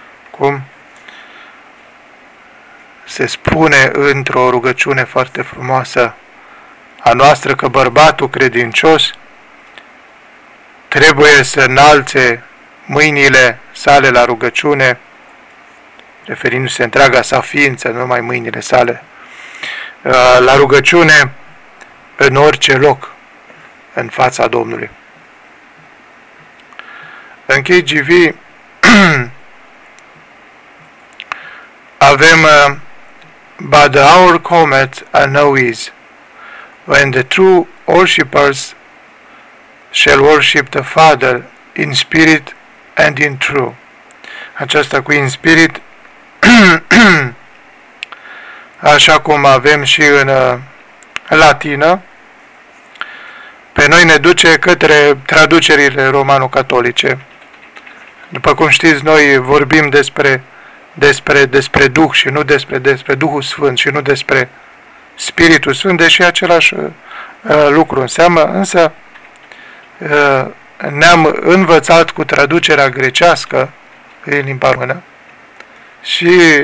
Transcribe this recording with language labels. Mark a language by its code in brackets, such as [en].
[ro] Cum se spune într-o rugăciune foarte frumoasă a noastră, că bărbatul credincios trebuie să înalțe mâinile sale la rugăciune, referindu-se întreaga sa ființă, nu numai mâinile sale, la rugăciune în orice loc în fața Domnului. [en] În KGV avem "But the hour cometh, and now is, when the true worshippers shall worship the Father in spirit and in truth." [ro] Aceasta cu "in spirit", așa cum avem și în latină, pe noi ne duce către traducerile romano-catolice. După cum știți, noi vorbim despre Duh și nu despre Duhul Sfânt și nu despre Spiritul Sfânt, deși același lucru înseamnă, însă ne-am învățat cu traducerea grecească prin limba română și